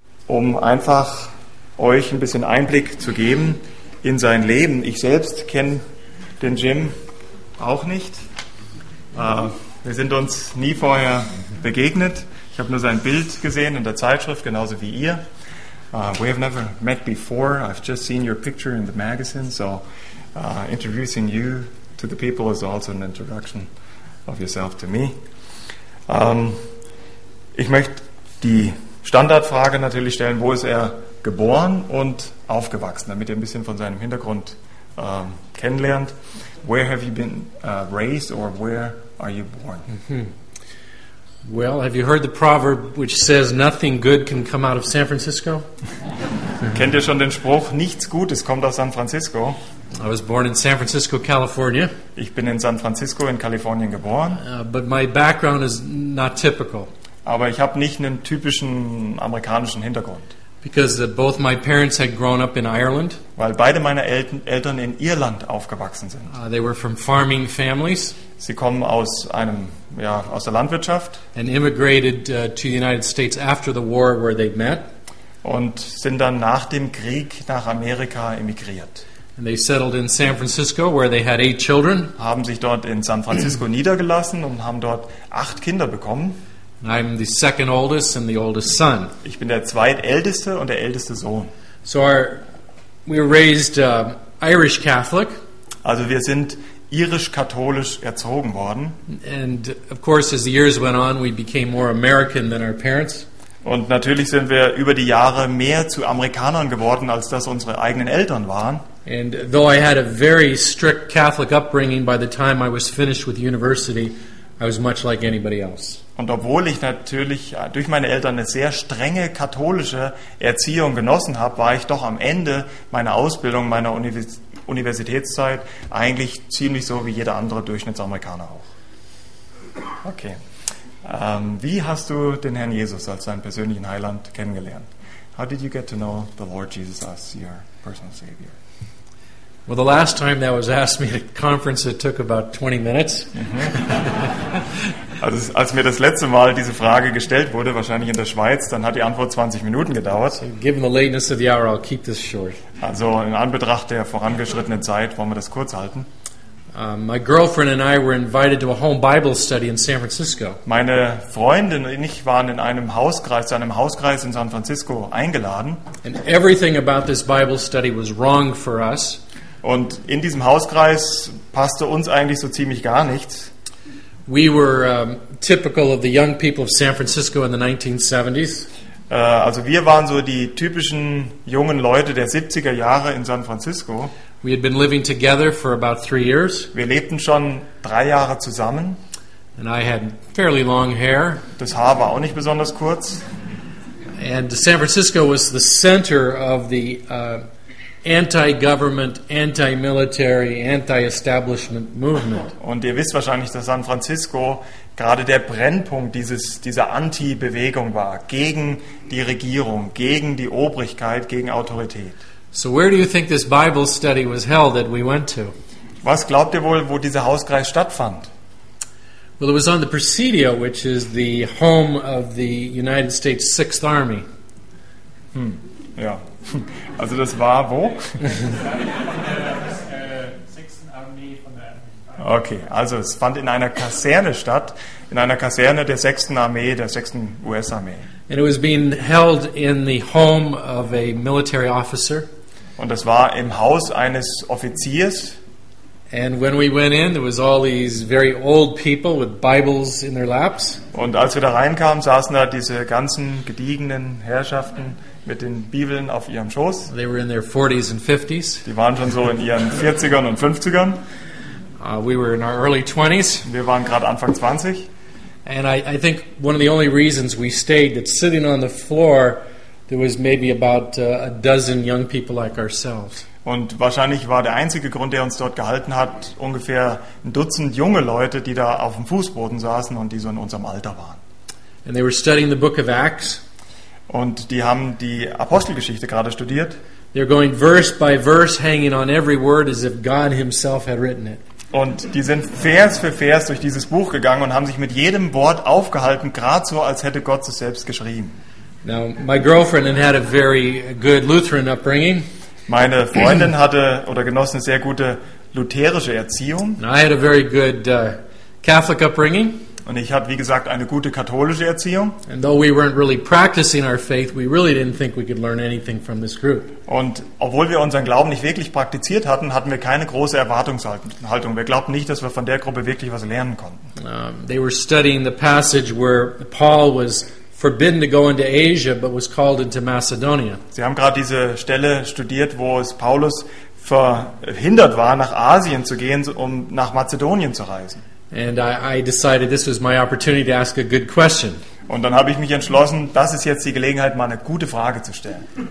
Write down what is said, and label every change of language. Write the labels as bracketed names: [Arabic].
[German] um einfach euch ein bisschen Einblick zu geben in sein Leben. Ich selbst kenne den Jim auch nicht. Wir sind uns nie vorher begegnet. Ich habe nur sein Bild gesehen in der Zeitschrift, genauso wie ihr. [English] We have never met before. I've just seen your picture in the magazine. So introducing you to the people is also an introduction of yourself to me. [German] Ich möchte die Standardfrage natürlich stellen, wo ist er geboren und aufgewachsen, damit ihr ein bisschen von seinem Hintergrund kennenlernt. [English] Where have you been raised or where are you born? Well, have you heard the proverb which says nothing good can come out of San Francisco? [German] Kennt ihr schon den Spruch, nichts Gutes kommt aus San Francisco? [English] I was born in San Francisco, California. [German] Ich bin in San Francisco in Kalifornien geboren. [English] But my background is not typical. [German] Aber ich habe nicht einen typischen amerikanischen Hintergrund. [English] Because both my parents had grown up in Ireland. [German] Weil beide meiner Eltern in Irland aufgewachsen sind. [English] They were from farming families. [German] Sie kommen aus einem, ja, aus der Landwirtschaft. [English] And immigrated to the United States after the war where they met. [German] Und sind dann nach dem Krieg nach Amerika emigriert. [English] And they settled in San Francisco where they had 8 children. [German] Haben sich dort in San Francisco niedergelassen und haben dort 8 Kinder bekommen. [English] I'm the second oldest and the oldest son. [German] Ich bin der zweitälteste und der älteste Sohn. [English] So we were raised Irish Catholic. [German] Also wir sind irisch-katholisch erzogen worden. [English] And of course as the years went on we became more American than our parents. [German] Und natürlich sind wir über die Jahre mehr zu Amerikanern geworden als das unsere eigenen Eltern waren. [English] And though I had a very strict Catholic upbringing by the time I was finished with university, I was much like anybody else. [German] Und obwohl ich natürlich durch meine Eltern eine sehr strenge katholische Erziehung genossen habe, war ich doch am Ende meiner Ausbildung, meiner Universitätszeit eigentlich ziemlich so wie jeder andere Durchschnittsamerikaner auch. Okay. Wie hast du den Herrn Jesus als deinen persönlichen Heiland kennengelernt? [English] How did you get to know the Lord Jesus as your personal Savior? Well, the last time that was asked me at a conference, it took about 20 minutes. [German] Also, als mir das letzte Mal diese Frage gestellt wurde, wahrscheinlich in der Schweiz, dann hat die Antwort 20 Minuten gedauert. [English] So given the lateness of the hour, I'll keep this short. [German] Also, in Anbetracht der vorangeschrittenen Zeit, wollen wir das kurz halten. [English] My girlfriend and I were invited to a home Bible study in San Francisco. [German] Meine Freundin und ich waren in einem Hauskreis, zu einem Hauskreis in San Francisco eingeladen. [English] And everything about this Bible study was wrong for us. [German] Und in diesem Hauskreis passte uns eigentlich so ziemlich gar nichts. [English] We were typical of the young people of San Francisco in the 1970s. [German] Also wir waren so die typischen jungen Leute der 70er Jahre in San Francisco. [English] We had been living together for about 3 years. [German] Wir lebten schon 3 Jahre zusammen. [English] And I had fairly long hair. [German] Das Haar war auch nicht besonders kurz. [English] And San Francisco was the center of the anti-government, anti-military, anti-establishment movement. [German] Und ihr wisst wahrscheinlich, dass San Francisco gerade der Brennpunkt dieser Anti-Bewegung war, gegen die Regierung, gegen die Obrigkeit, gegen Autorität. [English] So where do you think this Bible study was held that we went to? [German] Was glaubt ihr wohl, wo dieser Hauskreis stattfand? [English] Well, it was on the Presidio, which is the home of the United States 6th Army. [German] Ja. Also das war wo? Okay, also es fand in einer Kaserne statt, in einer Kaserne der 6. Armee, der 6. US-Armee. [English] And it was being held in the home of a military officer. [German] Und das war im Haus eines Offiziers. [English] And when we went in, there was all these very old people with Bibles in their laps. [German] Und als wir da reinkamen, saßen da diese ganzen gediegenen Herrschaften mit den Bibeln auf ihrem Schoß. [English] They were in their 40s and 50s. [German] Die waren schon so in ihren 40ern und 50ern. [English] We were in our early 20s. [German] Wir waren gerade Anfang 20. [English] And I think one of the only reasons we stayed, that sitting on the floor, there was maybe about a dozen young people like ourselves. [German] Und wahrscheinlich war der einzige Grund, der uns dort gehalten hat, ungefähr ein Dutzend junge Leute, die da auf dem Fußboden saßen und die so in unserem Alter waren. [English] And they were studying the book of Acts. [German] Und die haben die Apostelgeschichte gerade studiert. [English] They're going verse by verse, hanging on every word as if God himself had written it. [German] Und die sind Vers für Vers durch dieses Buch gegangen und haben sich mit jedem Wort aufgehalten, gerade so, als hätte Gott es selbst geschrieben. [English] Now, my girlfriend had a very good Lutheran upbringing. [German] Meine Freundin hatte oder genoss eine sehr gute lutherische Erziehung. [English] And I had a very good Catholic upbringing. [German] Und ich habe, wie gesagt, eine gute katholische Erziehung. [English] And though we weren't really practicing our faith, we really didn't think we could learn anything from this group. [German] Und obwohl wir unseren Glauben nicht wirklich praktiziert hatten, hatten wir keine große Erwartungshaltung. Wir glaubten nicht, dass wir von der Gruppe wirklich was lernen konnten. [English] They were studying the passage where Paul was forbidden to go into Asia, but was called into Macedonia. [German] Sie haben gerade diese Stelle studiert, wo es Paulus verhindert war, nach Asien zu gehen, um nach Mazedonien zu reisen. [English] And I decided this was my opportunity to ask a good question. [German] Und dann habe ich mich entschlossen, das ist jetzt die Gelegenheit, mal eine gute Frage zu stellen.